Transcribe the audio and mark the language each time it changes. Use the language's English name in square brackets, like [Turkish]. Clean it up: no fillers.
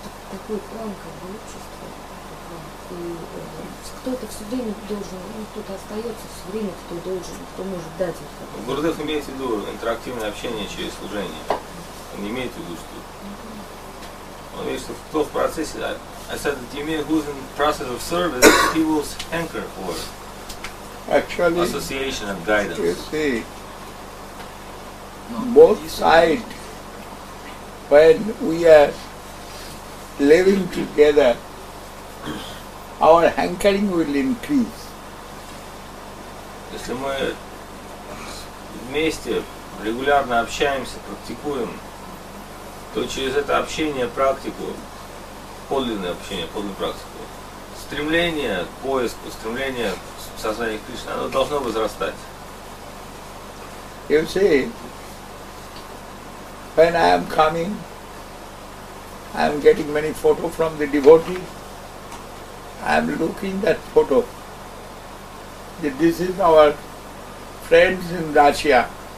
[Russian] Такой план, как бы, общество. Кто-то все время должен, кто-то остается все время, кто должен, кто может дать это. Гурдев имеет в виду интерактивное общение через служение. Он не имеет в виду, что... Он имеет в виду, кто в процессе... [English] I said that you may who's in the process of service, he will hanker for actually, association and guidance. You see, both sides, when we are living together, our hankering will increase. [Russian] Если мы вместе регулярно общаемся, практикуем, то через это общение, практику, подлинное общение, подлинную практику, стремление к поиску, стремление к сознанию Кришны, оно должно возрастать. [English] You see, when I am coming, I am getting many photos from the devotees. I am looking that photo. This is our friends in Russia.